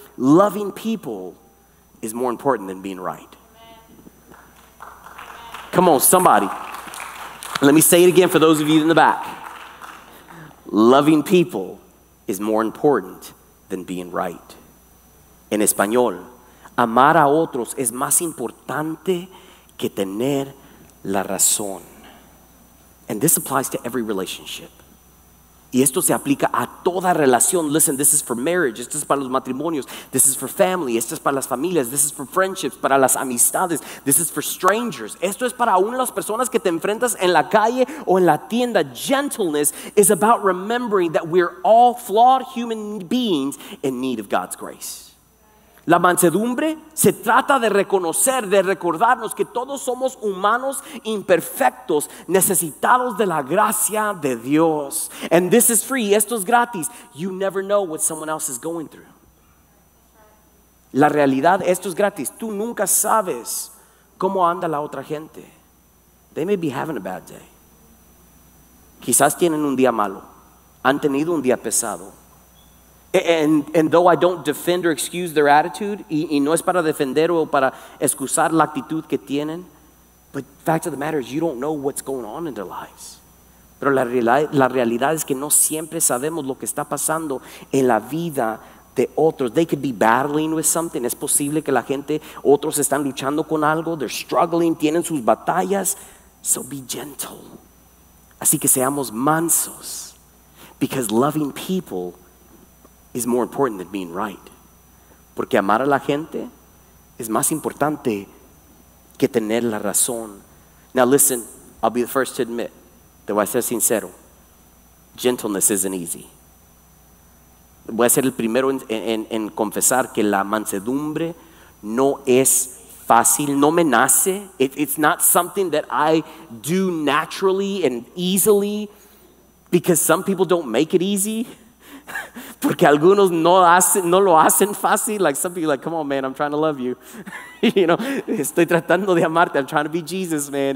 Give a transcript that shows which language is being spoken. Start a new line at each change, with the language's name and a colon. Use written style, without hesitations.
English: Loving people is more important than being right. Amen. Come on, somebody. Let me say it again for those of you in the back. Loving people is more important than being right.
Spanish: En español, amar a otros es más importante que tener la razón.
English: And this applies to every relationship.
Spanish: Y esto se aplica a toda relación.
English: Listen, this is for marriage.
Spanish: Esto es para los matrimonios.
English: This is for family.
Spanish: Esto es para las familias.
English: This is for friendships,
Spanish: para las amistades.
English: This is for strangers.
Spanish: Esto es para una de las personas que te enfrentas en la calle o en la tienda.
English: Gentleness is about remembering that we're all flawed human beings in need of God's grace.
Spanish: La mansedumbre se trata de reconocer, de recordarnos que todos somos humanos imperfectos, necesitados de la gracia de Dios.
English: And this is free,
Spanish: esto es gratis.
English: You never know what someone else is going through.
Spanish: La realidad, esto es gratis. Tú nunca sabes cómo anda la otra gente.
English: They may be having a bad day.
Spanish: Quizás tienen un día malo. Han tenido un día pesado.
English: And though I don't defend or excuse their attitude,
Spanish: y no es para defender o para excusar la actitud que tienen,
English: but the fact of the matter is you don't know what's going on in their lives.
Spanish: Pero la realidad es que no siempre sabemos lo que está pasando en la vida de otros.
English: They could be battling with something.
Spanish: Es posible que la gente, otros están luchando con algo.
English: They're struggling,
Spanish: tienen sus batallas.
English: So be gentle.
Spanish: Así que seamos mansos.
English: Because loving people is more important than being right.
Spanish: Porque amar a la gente es más importante que tener la razón.
English: Now listen, I'll be the first to admit,
Spanish: te voy a ser sincero,
English: gentleness isn't easy.
Spanish: Voy a ser el primero en confesar que la mansedumbre no es fácil, no me nace.
English: It's not something that I do naturally and easily, because some people don't make it easy.
Spanish: Porque algunos no lo hacen fácil.
English: Like some people are like, come on man, I'm trying to love you. You know,
Spanish: estoy tratando de amarte.
English: I'm trying to be Jesus, man.